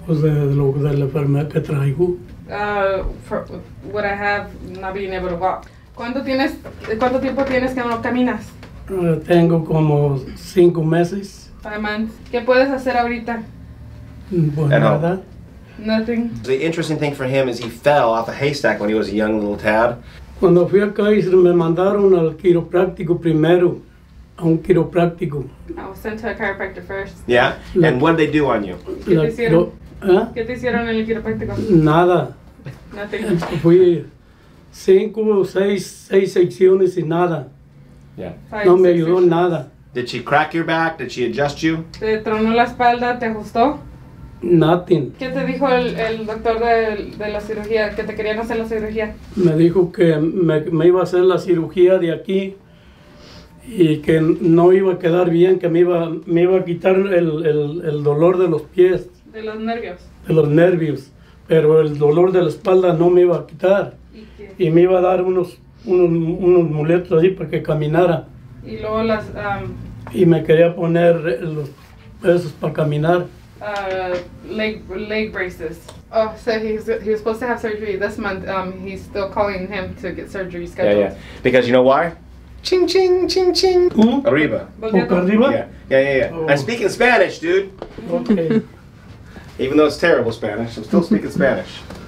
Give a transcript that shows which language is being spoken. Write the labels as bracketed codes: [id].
[en] What I have, not being able to walk. [es] ¿Cuánto tienes sin caminar? Tengo como 5 meses. [en] 5 months. [es] ¿Qué puedes hacer ahorita? Nada. [en] Nothing. The interesting thing for him is he fell off a haystack when he was a young little tad. [es] Cuando fui a Kaiser, me mandaron al quiropráctico primero, a un quiropráctico. [en] I was sent to a chiropractor first. Yeah? Like, and what did they do on you? [es] ¿Qué te hicieron? ¿Qué te hicieron en el quiropráctico? Nada. [en] Nothing. [es] Fui 5 or 6 secciones y nada. [en] Yeah. [es] Five, no me ayudó sections. Nada. [en] Did she crack your back? Did she adjust you? [es] ¿Te tronó la espalda? ¿Te ajustó? [en] Nothing. [es] ¿Qué te dijo el doctor de la cirugía, que te querían hacer la cirugía? Me dijo que me iba a hacer la cirugía de aquí y que no iba a quedar bien, que me iba a quitar el dolor de los pies. ¿De los nervios? De los nervios, pero el dolor de la espalda no me iba a quitar. ¿Y qué? Y me iba a dar unos muletos ahí para que caminara. ¿Y luego las...? Y me quería poner los pesos para caminar. [en] Leg braces. Oh, so he was supposed to have surgery this month. He's still calling him to get surgery scheduled. Yeah, yeah. Because you know why? Ching, ching, ching, ching. Arriba. [es] Arriba? [en] Yeah. Oh. I'm speaking Spanish, dude. Okay. Even though it's terrible Spanish, I'm still speaking Spanish.